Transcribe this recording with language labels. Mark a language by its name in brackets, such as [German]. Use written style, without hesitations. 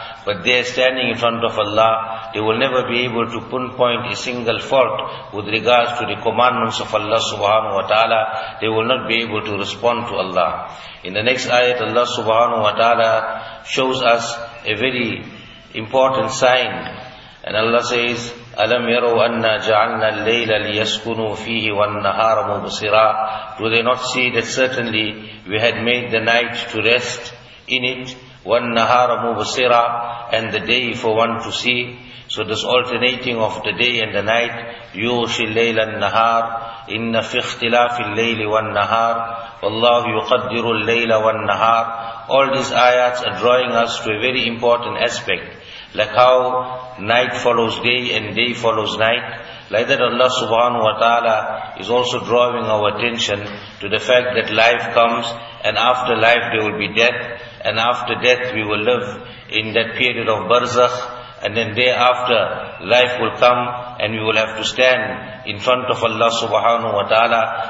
[English] But they are standing in front of Allah. They will never be able to pinpoint a single fault with regards to the commandments of Allah subhanahu wa ta'ala. They will not be able to respond to Allah. In the next ayat, Allah subhanahu wa ta'ala shows us a very important sign. And Allah says, [Arabic] أَلَمْ يَرَوْا أَنَّا جَعَلْنَا اللَّيْلَ لِيَسْكُنُوا فِيهِ وَالنَّهَارَ مُبْصِرًا. [English] Do they not see that certainly we had made the night to rest in it, [Arabic] وَالنَّهَارَ مُبْصِرًا, [English] and the day for one to see? So this alternating of the day and the night, [Arabic] يُغْشِ اللَّيْلَ النَّهَارَ إِنَّ فِي اخْتِلَافِ اللَّيْلِ وَالنَّهَارَ وَاللَّهُ يُقَدِّرُ اللَّيْلَ وَالنَّهَارَ. [English] All these ayats are drawing us to a very important aspect, like how night follows day and day follows night. Like that Allah subhanahu wa ta'ala is also drawing our attention to the fact that life comes, and after life there will be death, and after death we will live in that period of barzakh, and then thereafter life will come and we will have to stand in front of Allah subhanahu wa ta'ala.